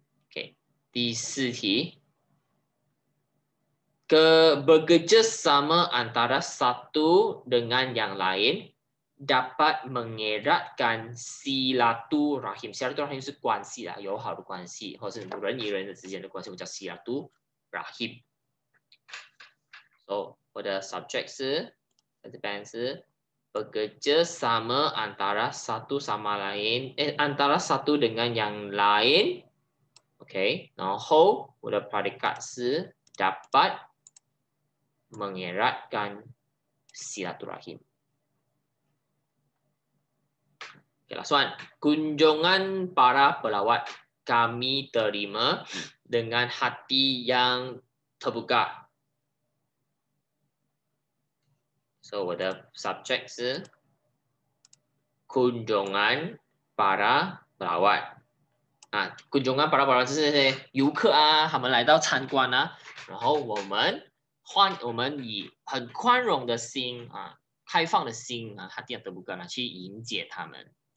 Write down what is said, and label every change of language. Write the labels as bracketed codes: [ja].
[ms] Okay, [zh] 第四题， [ms] bekerja sama antara satu dengan yang lain dapat mengeratkan silaturahim. [zh] Silaturahim 是关系啦，友好的关系，或是人与人之间的关系，我叫 silaturahim。 So，我的 subject 是，在这边是。 [ms] Bekerja sama antara satu sama lain, antara satu dengan yang lain. Okay, [zh] 然后我的 [ms] predicate 是 dapat mengeratkan silaturahim. [en] Okay, last one. [ms] Kunjungan para pelawat kami terima dengan hati yang terbuka. [zh] So, 我的 subject 是 [ms] kunjungan para pelawat [zh] 啊，kunjungan para pelawat 就是那些游客啊，他们来到参观啊，然后我们以很宽容的心啊，开放的心啊，他点都不干了，去迎接他们。